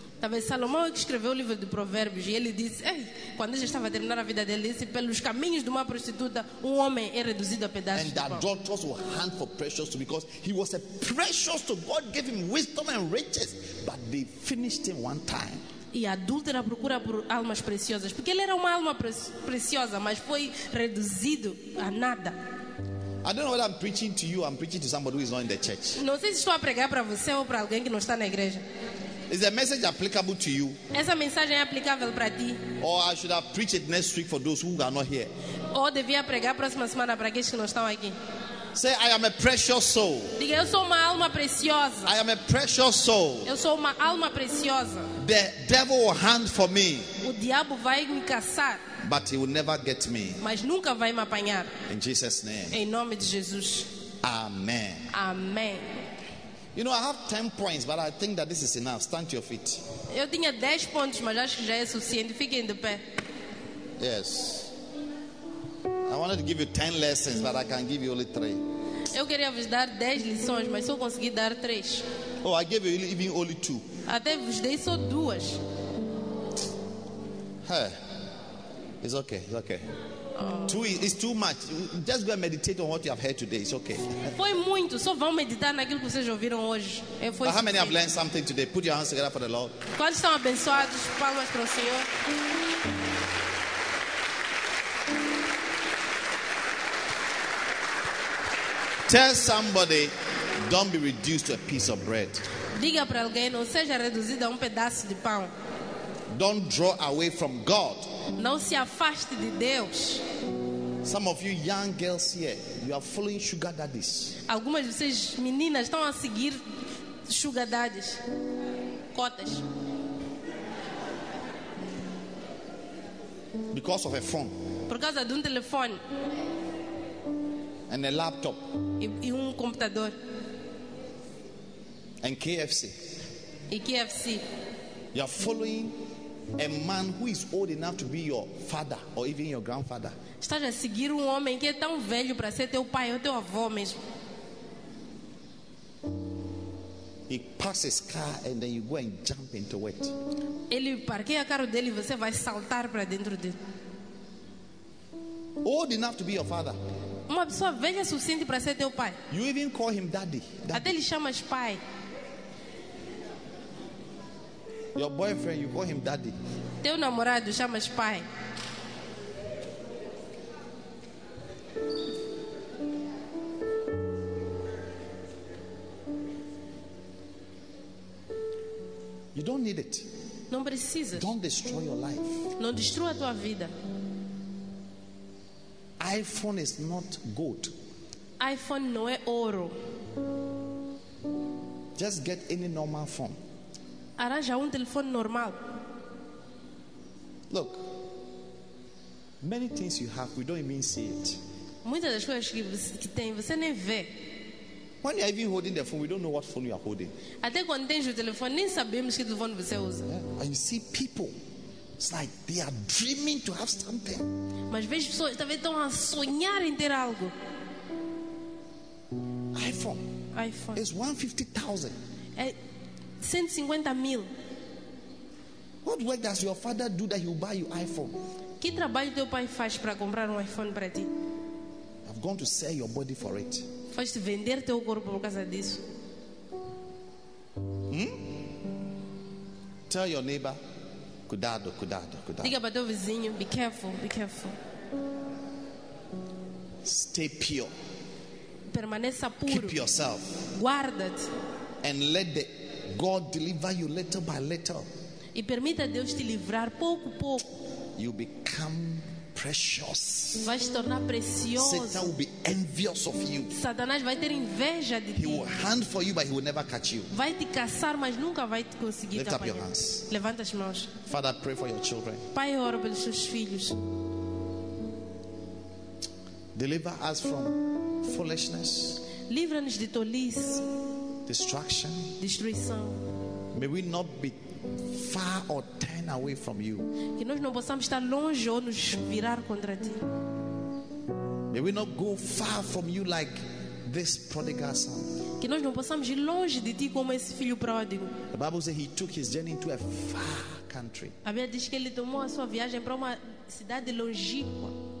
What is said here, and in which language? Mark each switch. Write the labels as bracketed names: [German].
[Portuguese] Talvez Salomão que escreveu o livro de Provérbios e ele disse, quando ele já estava a terminar a vida dele, disse, pelos caminhos de uma prostituta, homem é reduzido a pedaços. [English] And adulterers will hunt for precious too, because he was a precious to God, gave him wisdom and riches, but they finished him one time. [Portuguese] E adúltera procura por almas preciosas, porque ele era uma alma preciosa, mas foi reduzido a nada. [English] I don't know whether I'm preaching to you. I'm preaching to somebody who is not in the church. [Portuguese] Não sei se estou a pregar para você ou para alguém que não está na igreja. [English] Is the message applicable to you? [Portuguese] Essa mensagem é aplicável para ti? [English] Or I should have preached it next week for those who are not here. [Portuguese] Ou devia pregar próxima semana para aqueles que não estão aqui. [English] Say, I am a precious soul. [Portuguese] Diga, eu sou uma alma preciosa. [English] I am a precious soul. [Portuguese] Eu sou uma alma preciosa. [English] The devil will hunt for me. [Portuguese] O diabo vai me caçar. [English] But he will never get me. [Portuguese] Mas nunca vai me apanhar. [English] In Jesus' name. [Portuguese] Em nome de Jesus. [English] Amen. [Portuguese] Amen. [English] You know, I have 10 points, but I think that this is enough. Stand to your feet. [Portuguese] Eu tinha 10 pontos, mas acho que já é suficiente. Fiquem de pé. [English] Yes. I wanted to give you 10 lessons, but I can give you only 3. [Portuguese] Eu queria vos dar 10 lições, mas só consegui dar 3. [English] Oh, I gave you even only 2. [Portuguese] Até vos dei só 2. [English] Hey. It's okay, it's okay. It's too much. Just go and meditate on what you have heard today. It's okay. [Portuguese] Foi muito. Só vão meditar naquilo que vocês ouviram hoje. [English] How [Portuguese] suficiente. [English] Many have learned something today? Put your hands together for the Lord. [Portuguese] Quantos estão abençoados? Palmas para o Senhor. [English] Tell somebody, don't be reduced to a piece of bread. [Portuguese] Diga para alguém, não seja reduzido a pedaço de pão. [English] Don't draw away from God. [Portuguese] Não se afaste de Deus. [English] Some of you young girls here, you are following sugar daddies. [Portuguese] Algumas de vocês meninas estão a seguir [English] sugar daddies. [Portuguese] Cotas. [English] Because of a phone. [Portuguese] Por causa de telefone. [English] And a laptop. [Portuguese] E computador. [English] And KFC. [Portuguese] E KFC. [English] You are following a man who is old enough to be your father or even your grandfather. [Portuguese] Estás a seguir homem que é tão velho para ser teu pai ou teu avô mesmo. [English] He passes car and then you go and jump into it. [Portuguese] Ele parqueia carro dele e você vai saltar para dentro dele. [English] Old enough to be your father. [Portuguese] Uma pessoa velha suficiente para ser teu pai. [English] You even call him daddy. [Portuguese] Até ele chama pai. [English] Your boyfriend, you call him daddy. [Portuguese] Teu namorado chama pai. [English] You don't need it. [Portuguese] Não precisa. [English] Don't destroy your life. [Portuguese] Não destrua a tua vida. [English] iPhone is not gold. [Portuguese] iPhone não é ouro. [English] Just get any normal phone. [Portuguese] Arranja telefone normal. [English] Look, many things you have, we don't even see it. [Portuguese] Muitas das coisas que tem, você nem vê. [English] When you are even holding the phone, we don't know what phone you are holding. [Portuguese] Até quando tens o telefone, nem sabemos que telefone você usa. [English] And you see people, it's like they are dreaming to have something. [Portuguese] Mas vejo pessoas, talvez estão a sonhar em ter algo. [English] iPhone. It's 150,000. [Portuguese] É 150 mil. [English] What work does your father do that he'll buy you iPhone? [Portuguese] Que trabalho teu pai faz para comprar iPhone para ti? [English] I've gone to sell your body for it. [Portuguese] Foste vender teu corpo por causa disso. [English] Tell your neighbor, [Portuguese] cuidado, cuidado, cuidado. Diga para teu vizinho, [English] be careful, be careful. Stay pure. [Portuguese] Permaneça puro. [English] Keep yourself. [Portuguese] Guarda-te. [English] And let the God deliver you little by little. [Portuguese] E permita Deus te livrar pouco a pouco. [English] You become precious. [Portuguese] Vai se tornar precioso. [English] Satan will be envious of you. [Portuguese] Satanás vai ter inveja de ti. [English] He will hunt for you, but he will never catch you. [Portuguese] Vai te caçar, mas nunca vai te conseguir. [English] Lift up your hands. [Portuguese] Levanta as mãos. [English] Father, pray for your children. [Portuguese] Pai, oro pelos seus filhos. [English] Deliver us from foolishness. [Portuguese] Livra-nos de tolice. [English] Destruction. [Portuguese] Destruição. [English] May we not be far or turn away from you. [Portuguese] Que nós não possamos estar longe ou nos virar contra ti. [English] May we not go far from you like this prodigal son. [Portuguese] Que nós não possamos ir longe de ti como esse filho pródigo. [English] The Bible says he took his journey into a far country. [Portuguese] A Bíblia diz que ele tomou a sua viagem para uma cidade longínqua.